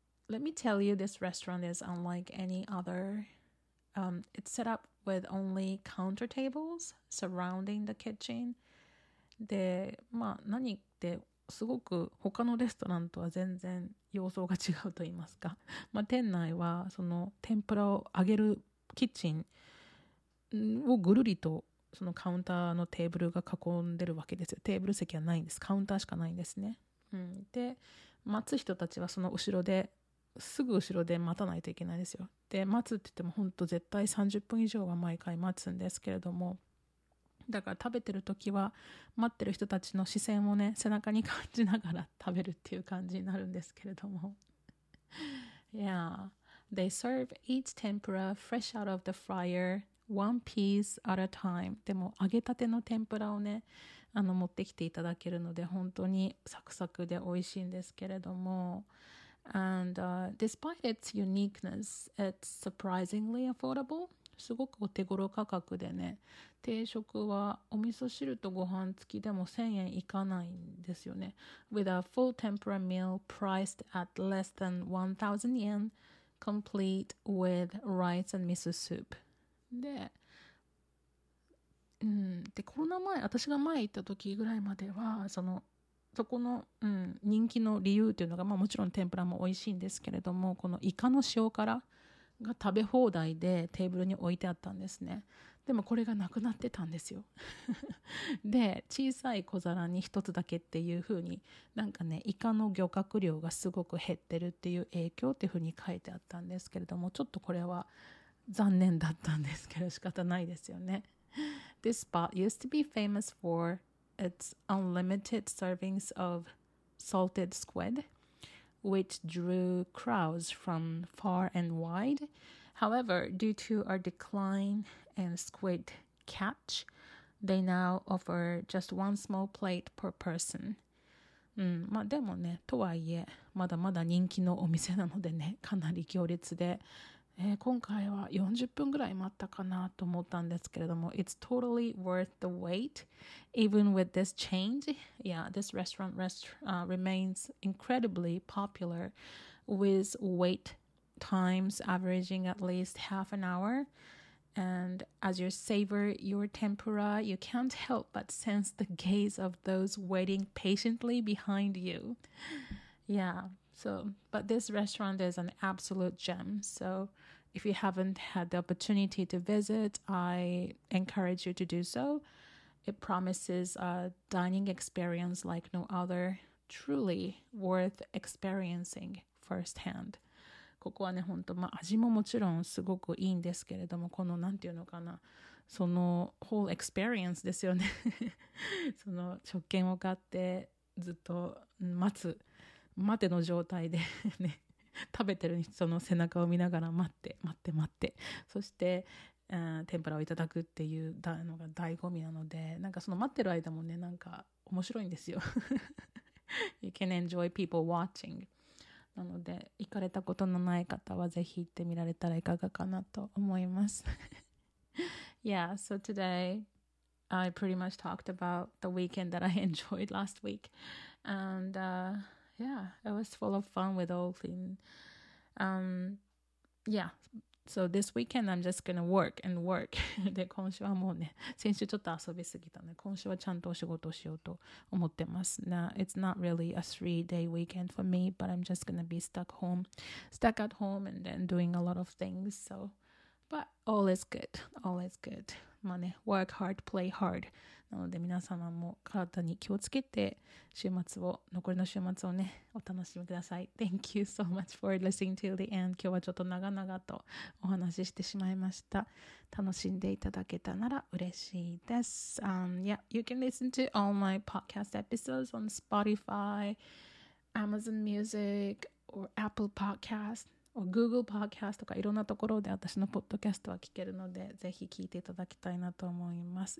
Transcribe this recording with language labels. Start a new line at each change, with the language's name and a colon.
English: let me tell you, this restaurant is unlike any other. It's set up with only counter tables surrounding the kitchen.
Japanese: で、まあ何ってすごく他のレストランとは全然様相が違うと言いますか。まあ店内はその天ぷらを揚げるキッチンをぐるりとそのカウンターのテーブルが囲んでるわけですよ。テーブル席はないんです。カウンターしかないんですね。うん、で待つ人たちはその後ろで、すぐ後ろで待たないといけないですよ。で待つって言っても本当絶対30分以上は毎回待つんですけれども、だから食べてる時は待ってる人たちの視線をね、背中に感じながら食べるっていう感じになるんですけれども。
English: Yeah, they serve each tempura fresh out of the fryer, one piece at a time.
Japanese: でも揚げたての天ぷらをね、あの持ってきていただけるので本当にサクサクで美味しいんですけれども。
English: And despite its uniqueness, it's surprisingly affordable.
Japanese: すごくお手頃価格でね、定食はお味噌汁とご飯付きでも1000円いかないんですよね。
English: With a full tempura meal priced at less than 1000 yen, complete with rice and miso soup.
Japanese: で、うん、でコロナ前、私が前行った時ぐらいまではそのそこの、うん、人気の理由というのが、まあ、もちろん天ぷらも美味しいんですけれども、このイカの塩辛が食べ放題でテーブルに置いてあったんですね。でもこれがなくなってたんですよ。で小さい小皿に一つだけっていう風に、なんかねイカの漁獲量がすごく減ってるっていう影響っていう風に書いてあったんですけれども、ちょっとこれは残念だったんですけど仕方ないですよね。
English: This spot used to be famous for its unlimited servings of salted squid, which drew crowds from far and wide. However, due to a decline in squid catch, they now offer just one small plate per person.
Japanese: うん、まあでもね、とはいえまだまだ人気のお店なのでね、かなり行列で、今回は40分ぐらい待ったかなと思ったんですけれども、
English: It's totally worth the wait, even with this change. Yeah, this restaurant remains incredibly popular, with wait times averaging at least half an hour. And as you savor your tempura, you can't help but sense the gaze of those waiting patiently behind you. Yeah. So, but this restaurant is an absolute gem. So, if you haven't had the opportunity to visit, I encourage you to do so. It promises a dining experience like no other, truly worth experiencing firsthand.
Japanese: ここはね、本当、まあ、味ももちろんすごくいいんですけれども、このなんていうのかな、その
English: whole experience
Japanese: ですよね。その食券を買ってずっと待つ。待ての状態で、ね、食べてる人の背中を見ながら待って待って待って、そして、天ぷらをいただくっていうのが醍醐味なので、なんかその待ってる間もね、なんか面白いんですよ。
English: You can enjoy people watching.
Japanese: なので行かれたことのない方はぜひ行ってみられたらいかがかなと思います。
English: Yeah, so todayI pretty much talked about the weekend that I enjoyed last week, andYeah, it was full of fun with Olin. Yeah, so this weekend I'm just gonna work and work.
Japanese: で、今週はもうね、先週ちょっと遊びすぎたね。今週はちゃんとお仕事をしようと思ってます。
English: Now, it's not really a three-day weekend for me, but I'm just gonna be stuck at home and then doing a lot of things. So, but all is good, all is good. まあね、work hard, play hard.
Japanese: なので皆様も体に気をつけて週末を、残りの週末をね、お楽しみください。
English: Thank you so much for listening till the end.
Japanese: 今日はちょっと長々とお話ししてしまいました。楽しんでいただけたなら嬉しいです。
English: Yeah, you can listen to all my podcast episodes on Spotify, Amazon Music, or Apple Podcast, or Google Podcast
Japanese: とかいろんなところで私のポッドキャストは聞けるので、ぜひ聞いていただきたいなと思います。